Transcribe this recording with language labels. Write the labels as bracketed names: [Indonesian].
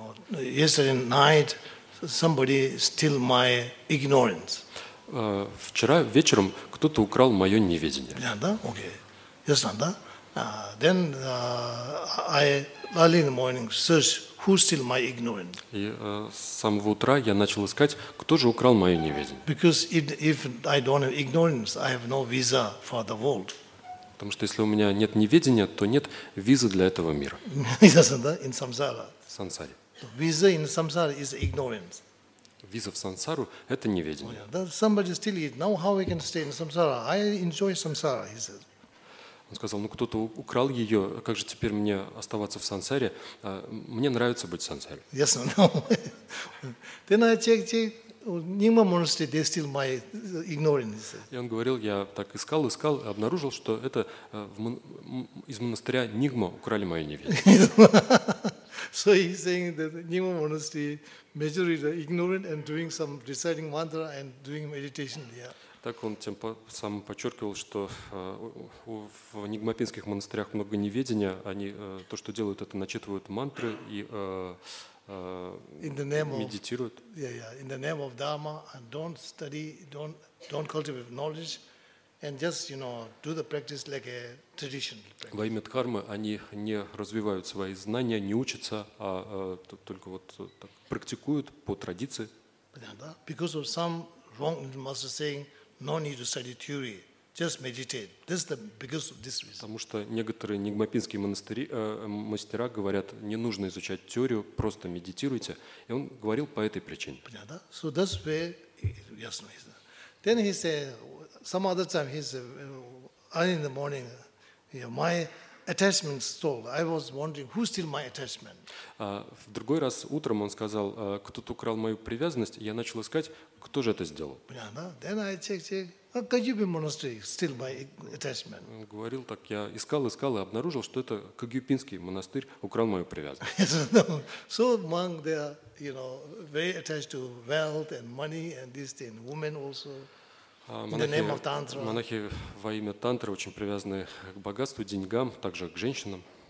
[English] Yesterday night, somebody steal my ignorance. [Russian] Вчера вечером кто-то украл мое неведение. Понятно, да? Окей. Ясно, да? [English] Then I early in the morning search who steal my ignorance. [Russian] И с самого утра я начал искать, кто же украл мое неведение. [English] Because if I don't have ignorance, I have no visa for the world. [Russian] Потому что если у меня нет неведения, то нет визы для этого мира. Ясно, да? [English] In samsara. [Russian] В сансаре. [English] Visa in samsara is ignorance. [Russian] Виза в сансару – это неведение. [English] Oh, yeah. Somebody still eat. Now how we can stay in samsara? I enjoy samsara, he said. [Russian] Он сказал, ну кто-то украл ее, как же теперь мне оставаться в сансаре? Мне нравится быть в сансаре. [English] Yes, no. Then I checked, Nyingma monastery, they steal my ignorance, he said. [Russian] И он говорил, я так искал, и обнаружил, что это из монастыря Нигма украли мое неведение. [English] So he's saying that Nyingma monastery majority the ignorant and doing some reciting mantra and doing meditation. Yeah. [Russian] Так он тем самым подчеркивал, что в нигмапинских монастырях много неведения. Они то, что делают, это начитывают мантры и медитируют. [English] Yeah. In the name of Dharma, and don't study, don't cultivate knowledge, and just you know do the practice like a tradition. [Russian] Во имя дхармы они не развивают свои знания, не учатся, а только вот так практикуют по традиции. [English] Because of some wrong master saying, no need to study theory, Just meditate. This is the biggest of this reason. [Russian] Потому что некоторые нигмапинские монастыри, мастера говорят, не нужно изучать теорию, просто медитируйте. И он говорил по этой причине. Понятно? [English] So that's where yes, no, then he said, some other time he said, early in the morning, yeah, my attachment stole. I was wondering who stole my attachment. [Russian] В другой раз утром он сказал, кто-то украл мою привязанность. Я начал искать, кто же это сделал. Понятно? [English] Then I checked. How could you be monastery steal my attachment? [Russian] Говорил так, я искал и обнаружил, что это Кагюпинский монастырь украл мою привязанность. [English] No. So monk, they are, you know, very attached to wealth and money and this thing. Women also. [Russian] Монахи во имя тантры очень привязаны к богатству, деньгам, также к женщинам.